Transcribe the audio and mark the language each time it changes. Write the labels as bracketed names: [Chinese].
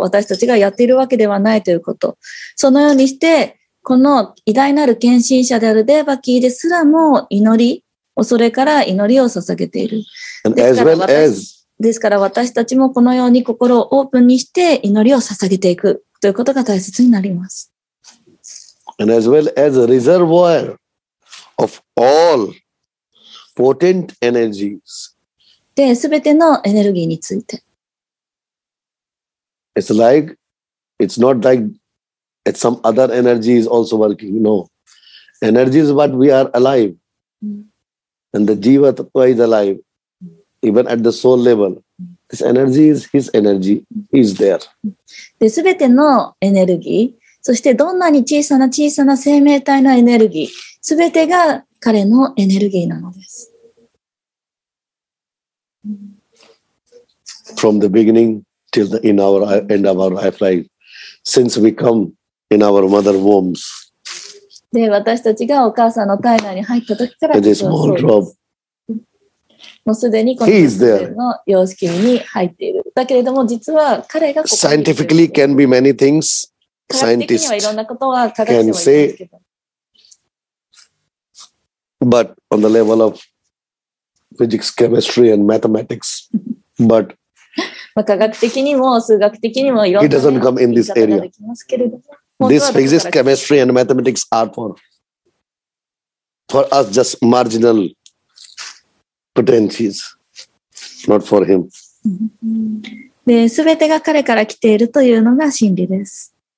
[Japanese] 私たちがやっているわけではないということ。そのようにしてこの偉大なる献身者であるデーバキーですらも祈り、恐れから祈りを捧げている。ですから私たちもこのように心をオープンにして祈りを捧げていくということが大切になります。 [English] And as well as a reservoir of all potent energies. [Japanese] で、すべてのエネルギーについて。 [English] It's like, it's not like it's some other energy is also working. No. Energy is what we are alive. And the jiva tattva is alive. Even at the soul level, this energy is his energy. He is there. [Japanese] で、すべてのエネルギー、そしてどんなに小さな小さな生命体のエネルギー、全てが彼のエネルギーなのです。 [English] From the beginning till the in our end of our life, like, since we come in our mother wombs. [Japanese] で、私たちがお母さんの体内に入った時から、 [English] this small drop, [Japanese] もうすでにこの [English] He is there. [Japanese] の様式に入っている。だけれども、実は彼がここ [English] Scientifically can be many things. Scientists can say, but on the level of physics, chemistry, and mathematics, but [Japanese] まあ、科学的にも数学的にもいろんな言い方ができますけれども、本当はここから来ている。 [English] This physics, chemistry, and mathematics are for us just marginal potencies, not for him. [Japanese] で、すべてが彼から来ているというのが真理です。